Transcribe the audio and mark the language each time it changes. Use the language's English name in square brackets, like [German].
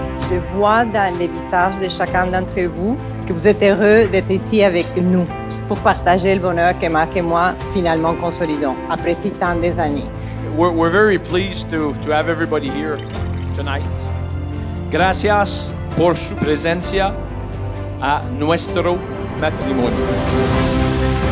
[French] Je vois dans les visages de chacun d'entre vous que vous êtes heureux d'être ici avec nous pour partager le bonheur que Marc et moi finalement consolidons après si tant des années. [English] We're very pleased to have everybody here tonight. [Spanish] Gracias por su presencia a nuestro matrimonio.